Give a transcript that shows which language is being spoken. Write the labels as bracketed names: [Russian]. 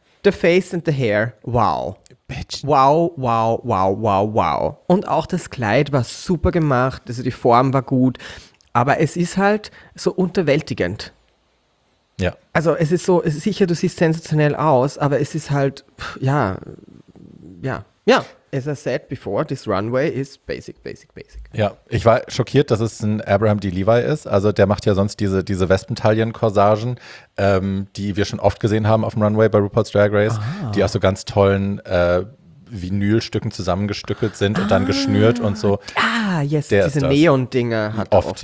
[English] The face and the hair, wow. Bitch. Wow, wow, wow, wow, wow. [German] Und auch das Kleid war super gemacht, also die Form war gut. Aber es ist halt so unterwältigend. Ja. Also es ist so, es ist sicher, du siehst sensationell aus, aber es ist halt, ja, ja, ja. [English] As I said before, this runway is basic, basic, basic. [German] Ja, ich war schockiert, dass es ein Abraham D. Levi ist. Also der macht ja sonst diese Wespentalien-Korsagen, die wir schon oft gesehen haben auf dem Runway bei RuPaul's Drag Race, die aus so ganz tollen Vinylstücken zusammengestückelt sind und dann geschnürt und so. Ah, yes, der diese Neon-Dinger hat er oft